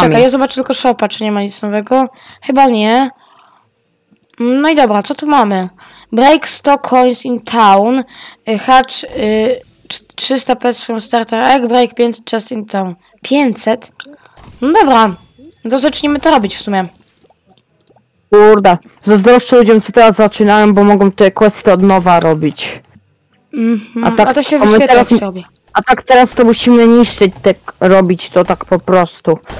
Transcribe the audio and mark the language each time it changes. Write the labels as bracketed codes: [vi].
[pl] Poczekaj, ja zobaczę tylko shopa, czy nie ma nic nowego, chyba nie. No i dobra, co tu mamy? [en] Break 100 coins in town, hatch 300 pets from starter egg, break 500 chest in town. [pl] 500? No dobra, to zaczniemy to robić w sumie. Kurde, zazdroszczę ludziom, co teraz zaczynałem, bo mogą te questy od nowa robić. Mm-hmm. A to się wyświetla w sobie. A tak teraz to musimy niszczyć, robić to tak po prostu.